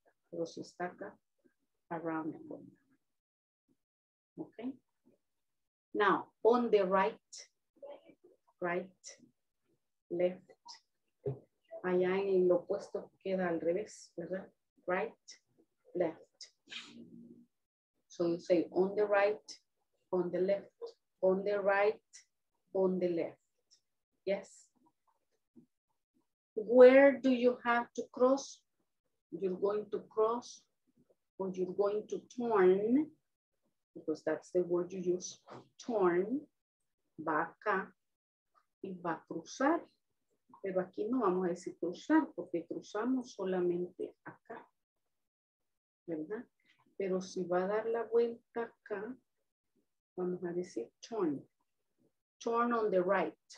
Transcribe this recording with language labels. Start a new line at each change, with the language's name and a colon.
Spanish: Pero si está acá,
English: around the corner. Okay? Now, on the right, right, left.
Spanish: Allá en el opuesto queda al revés, ¿verdad?
English: Right, left. So you say on the right, on the left, on the right, on the left. Yes. Where do you have to cross? You're going to cross or you're going to turn, because that's the word you use.
Spanish: Turn, va acá y va a cruzar. Pero aquí no vamos a decir cruzar, porque cruzamos solamente acá, ¿verdad? Pero si va a dar la vuelta acá, vamos a decir turn.
English: Turn on the right.